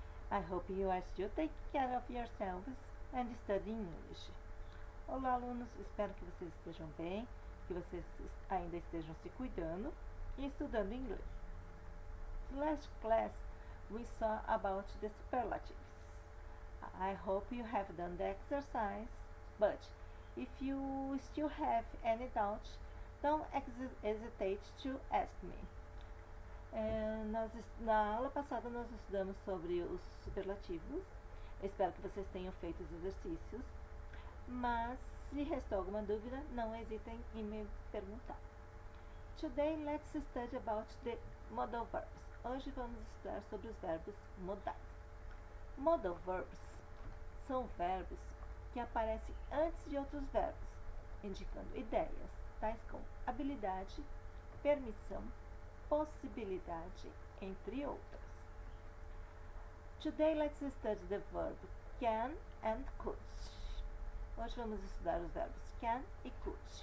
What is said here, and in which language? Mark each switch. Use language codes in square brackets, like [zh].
[en] I hope you are still taking care of yourselves and studying English. [pt] Olá, alunos. Espero que vocês estejam bem, que vocês ainda estejam se cuidando e estudando inglês. [en] Last class, we saw about the superlatives. I hope you have done the exercise, but if you still have any doubts, don't hesitate to ask me. [pt] Na aula passada nós estudamos sobre os superlativos. Espero que vocês tenham feito os exercícios. Mas se restou alguma dúvida, não hesitem em me perguntar. [en] Today let's study about the modal verbs. [pt] Hoje vamos estudar sobre os verbos modais. Modal verbs são verbos que aparecem antes de outros verbos, indicando ideias, tais como habilidade, permissão, possibilidade, entre outras. [en] Today let's study the verb can and could. [pt] Hoje vamos estudar os verbos can e could.